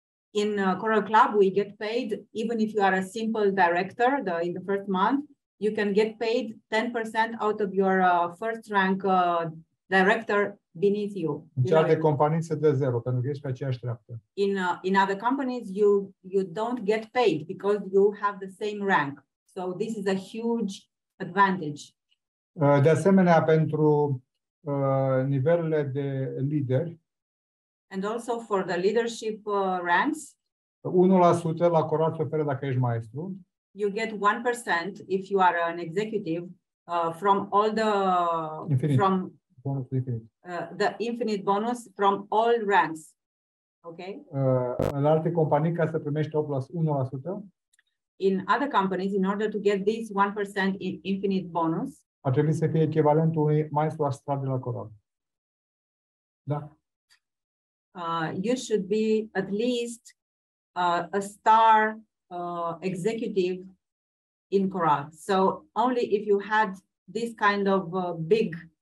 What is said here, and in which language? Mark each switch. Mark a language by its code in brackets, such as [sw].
[en] In Coral Club we get paid even if you are a simple director in the first month, you can get paid 10% out of your first rank director beneath you. [ro] În alte companii se dă zero pentru că ești pe aceeași treaptă. [en] In other companies you don't get paid because you have the same rank. So this is a huge advantage. [ro] De asemenea, pentru nivelurile de lider. [en] And also for the leadership ranks. [ro] 1% la Coral se oferă dacă ești maestru. [en] You get 1% if you are an executive from all the infinite. From bonus infinite. The infinite bonus from all ranks. Okay? [ro] În alte companii ca să primești 1%. [en] In other companies, in order to get this 1% in infinite bonus, [ro] a trebuit să fie echivalentul unui maestru astral de la Coral. Da. [en] You should be at least a star executive in Coral. So only if you had this kind of big